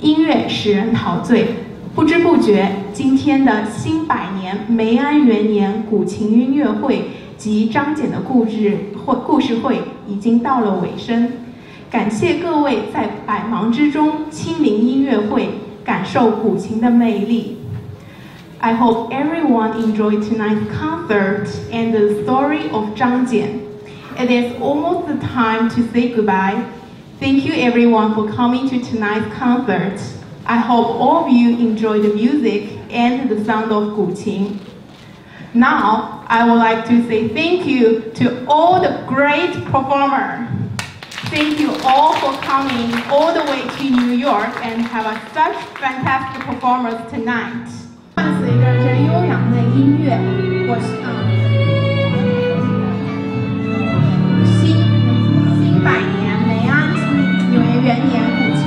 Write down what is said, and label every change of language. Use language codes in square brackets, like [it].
[zh] 音乐使人陶醉，不知不觉，今天的新百年梅安元年古琴音乐会及张謇的故事会已经到了尾声。感谢各位在百忙之中亲临音乐会，感受古琴的魅力。 [en] I hope everyone enjoyed tonight's concert and the story of Zhang Jian. It is almost the time to say goodbye. Thank you everyone for coming to tonight's concert. I hope all of you enjoy the music and the sound of 古琴. Now, I would like to say thank you to all the great performers. Thank you all for coming all the way to New York and have a such fantastic performance tonight. [zh] 伴随着人悠扬的音乐，我是新百年梅安纽约元年。